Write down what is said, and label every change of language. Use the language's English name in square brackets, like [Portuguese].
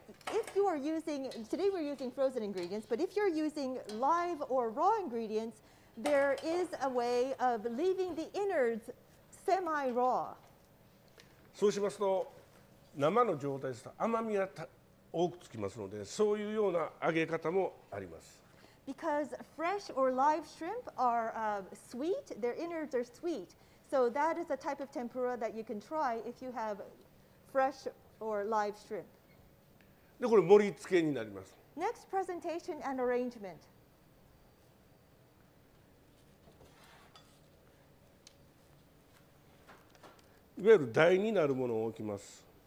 [English] If you are using, today we're using frozen ingredients, but if you're using live or raw ingredients, there is a way of leaving the innards semi-raw. [Japanese] そうしますと、生の状態ですと甘みが多くつきますので、そういうような揚げ方もあります。 [English] Because fresh or live shrimp are sweet, their innards are sweet. So that is a type of tempura that you can try if you have fresh or live shrimp. [Japanese] で、これ盛り付けになります。 [English] Next presentation and arrangement. [Japanese] いわゆる台になるものを置きます。